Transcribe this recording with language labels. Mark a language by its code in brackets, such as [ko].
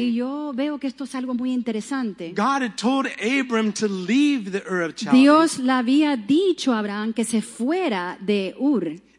[es] Y yo veo que esto es algo muy interesante. [en] God had told Abraham to leave the Ur of Chaldees. [es] Dios le había dicho a Abraham que se fuera de Ur.